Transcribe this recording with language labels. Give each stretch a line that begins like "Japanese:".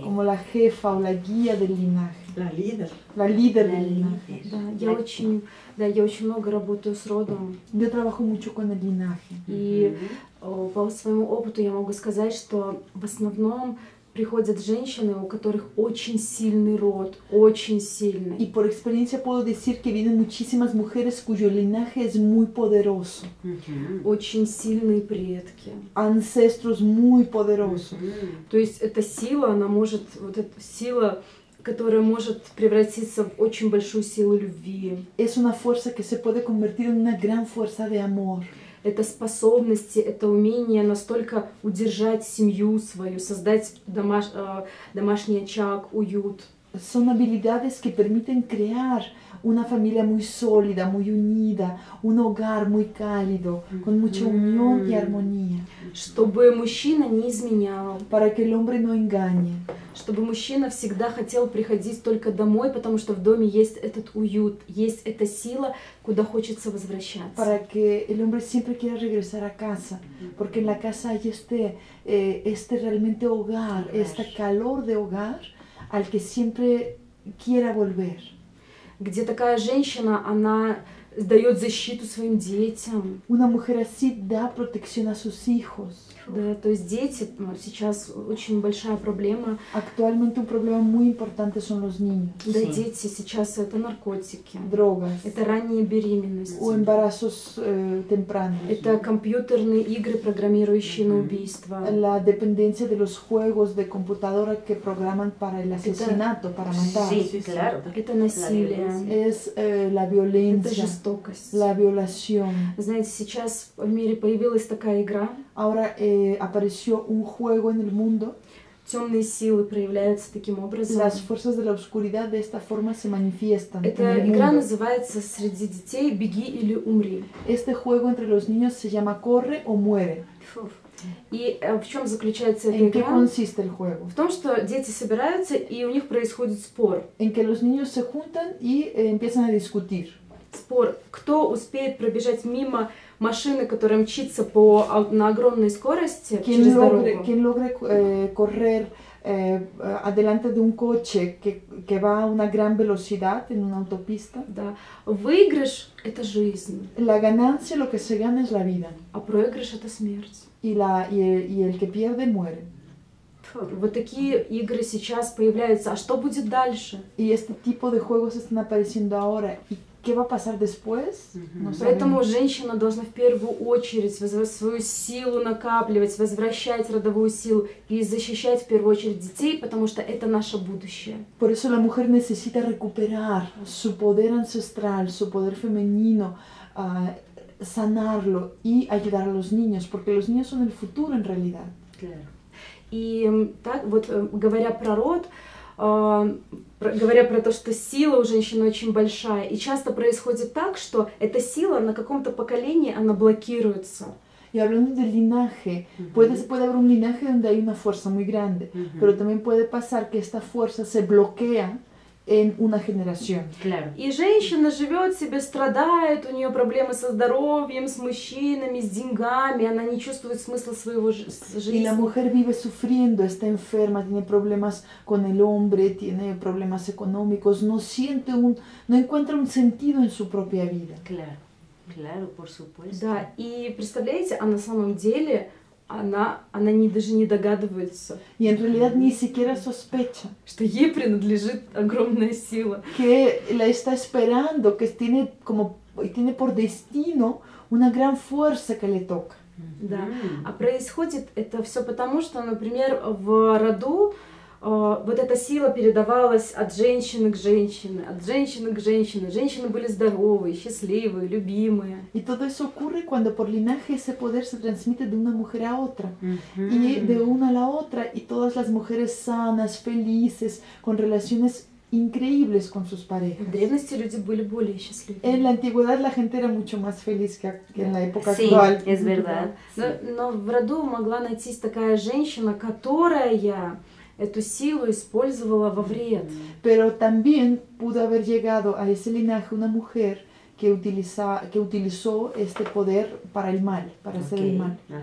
Spanish: Como la jefa o la guía del linaje. La líder. La líder del linaje.
Russian: Да, я очень много работаю с родом.
Spanish: Я трабахаю мучу кон линаже.
Russian: И по своему опыту я могу сказать, что в основном приходят женщины, у которых очень сильный род, очень сильный. И по
Spanish: experiencia puedo decir que vienen muchísimas mujeres cuyo linaje es muy poderoso.
Russian: Очень сильные предки.
Spanish: Ancestros muy poderosos.
Russian: То есть эта сила, она может, вот эта сила, которая может превратиться в очень большую силу любви.
Spanish: Es una fuerza que se puede convertir en una gran fuerza de amor.
Russian: Это способности, это умение настолько удержать семью свою, создать домашний очаг, уют.
Spanish: Son habilidades que permiten crear una familia muy sólida, muy unida, un hogar muy cálido, con mucha unión y armonía.
Russian: Чтобы мужчина не изменял.
Spanish: Para que el hombre no engañe.
Russian: Чтобы мужчина всегда хотел приходить только домой, потому что в доме есть этот уют, есть эта сила, куда хочется возвращаться.
Spanish: Para que el hombre siempre quiera regresar a casa, porque en la casa hay este realmente hogar, este calor de hogar, al que siempre quiera volver.
Russian: Где такая женщина, она дает защиту своим детям.
Spanish: Una mujer así da protección a sus hijos.
Russian: Да, то есть дети, сейчас очень большая проблема.
Spanish: Actualmente un problema muy importante son los niños. Да, sí.
Russian: Дети сейчас это наркотики.
Spanish: Drogas.
Russian: Это ранние беременности.
Spanish: O embarazos tempranos.
Russian: Это компьютерные игры, программирующие на убийство.
Spanish: La dependencia de los juegos de computadora que programan para el asesinato, para matar. Sí, claro.
Russian: Это насилие.
Spanish: Es la violencia.
Russian: Это жестокость.
Spanish: La violación.
Russian: Знаете, сейчас в мире появилась такая игра.
Spanish: Ahora apareció un juego en el mundo.
Russian: Темные силы проявляются таким образом.
Spanish: Las fuerzas de la oscuridad de esta forma se manifiestan.
Russian: Эта игра называется «Среди детей беги или умри».
Spanish: Este juego entre los niños se llama «Corre o muere».
Russian: И в чем заключается эта игра?
Spanish: En qué consiste el juego?
Russian: В том, что дети собираются и у них происходит спор.
Spanish: En que los niños se juntan y empiezan a discutir.
Russian: Спор. Кто успеет пробежать мимо машины, которая мчится по на огромной скорости
Spanish: ¿Quién
Russian: через дорогу?
Spanish: Quien logre correr adelante de un coche que va a una gran velocidad en una autopista.
Russian: Да. Выигрыш – это жизнь.
Spanish: La ganancia, lo que se gana es la vida.
Russian: А проигрыш – это смерть.
Spanish: Y el que pierde muere.
Russian: Вот такие игры сейчас появляются. А что будет дальше?
Spanish: Y este tipo de juegos están apareciendo ahora. ¿Qué va a pasar después? No
Russian: Поэтому
Spanish: sabemos.
Russian: Женщина должна в первую очередь свою силу накапливать, возвращать родовую силу и защищать в первую очередь детей, потому что это наше будущее.
Spanish: Por eso la mujer necesita recuperar su poder ancestral, su poder femenino, sanarlo y ayudar a los niños, porque los niños son el futuro en realidad. Claro.
Russian: И так вот, говоря про род, говоря про то, что сила у женщины очень большая, и часто происходит так, что эта сила на каком-то поколении она блокируется.
Spanish: Y hablando del linaje, puede haber un linaje donde hay una fuerza muy grande, pero también puede pasar que esta fuerza se bloquea en una generación. Claro.
Russian: И женщина живет себе, страдает, у нее проблемы со здоровьем, с мужчинами, с деньгами, она не чувствует смысла своего жизни.
Spanish: Y la mujer vive sufriendo, está enferma, tiene problemas con el hombre, tiene problemas económicos, no encuentra un sentido en su propia vida. Claro, claro, por supuesto.
Russian: Да, и представляете, а на самом деле она не даже не догадывается.
Spanish: Y en realidad ni siquiera sospecha.
Russian: Что ей принадлежит огромная сила.
Spanish: Que la está esperando, que tiene como tiene por destino una gran fuerza que le toca.
Russian: Да. А происходит это все потому, что, например, в роду вот эта сила передавалась от женщины к женщине, от женщины к женщине. Женщины были здоровые, счастливые, любимые. И
Spanish: todo eso ocurre cuando por linaje ese poder se transmite de una mujer a otra. Y de una a la otra, y todas las mujeres sanas, felices, con relaciones increíbles con sus parejas.
Russian: В древности люди были более счастливыми.
Spanish: En la antigüedad la gente era mucho más feliz que en la época sí, actual. Sí, es verdad.
Russian: Но в роду могла найтись такая женщина, которая эту силу использовала во вред.
Spanish: Pero también pudo haber llegado a ese linaje una mujer que utilizó este poder para el mal, para hacer el mal.